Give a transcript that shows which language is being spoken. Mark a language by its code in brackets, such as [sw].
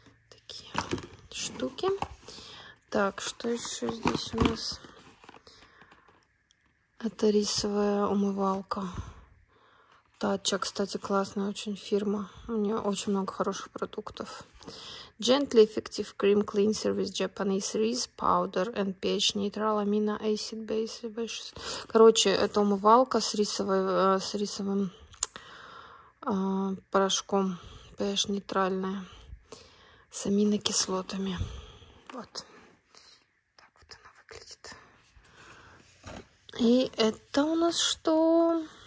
[ru] Такие штуки. Так, что еще здесь у нас? Это рисовая умывалка. Тача, кстати, классная очень фирма. У нее очень много хороших продуктов. [en] Gently Effective Cream Cleanser with Japanese Rice Powder and pH Neutral Amino Acid Base. [ru] Короче, это умывалка с рисовым порошком. pH нейтральная. С аминокислотами. Вот. Так вот она выглядит. И это у нас что?